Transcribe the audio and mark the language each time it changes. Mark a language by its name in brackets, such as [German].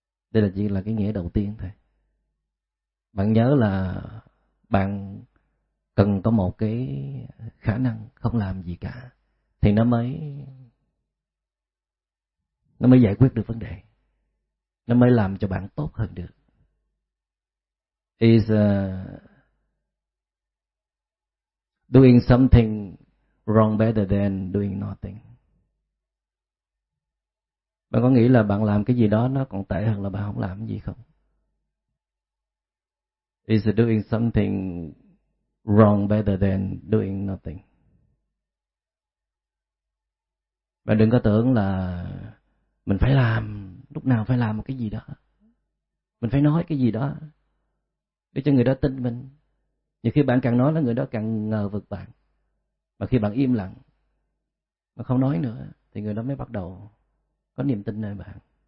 [Vietnamese] Đây là chỉ là cái nghĩa đầu tiên thôi. Bạn nhớ là bạn cần có một cái khả năng không làm gì cả thì nó mới giải quyết được vấn đề, nó mới làm cho bạn tốt hơn được. [English] Is doing something wrong better than doing nothing. [Vietnamese] Bạn có nghĩ là bạn làm cái gì đó nó còn tệ hơn là bạn không làm gì không? [English] Is doing something wrong better than doing nothing. [Vietnamese] Bạn đừng có tưởng là mình phải làm, lúc nào phải làm một cái gì đó. Mình phải nói cái gì đó để cho người đó tin mình. Nhiều khi bạn càng nói là người đó càng ngờ vực bạn. Mà khi bạn im lặng, mà không nói nữa, thì người đó mới bắt đầu có niềm tin nơi bạn.